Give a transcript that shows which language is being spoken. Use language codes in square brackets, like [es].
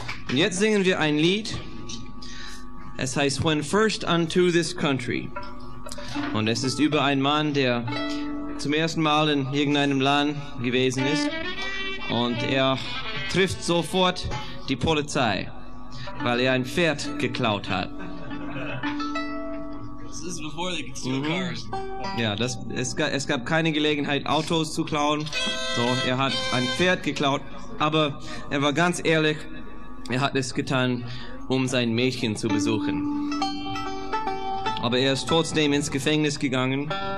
[de] Und jetzt singen wir ein Lied. Es heißt When First Unto This Country. Und es ist über einen Mann, der zum ersten Mal in irgendeinem Land gewesen ist. Und er trifft sofort die Polizei, weil er ein Pferd geklaut hat. [en] This is before they could steal cars. [de] Ja, es gab keine Gelegenheit, Autos zu klauen. So, er hat ein Pferd geklaut, aber er war ganz ehrlich, er hat es getan, um sein Mädchen zu besuchen. Aber er ist trotzdem ins Gefängnis gegangen.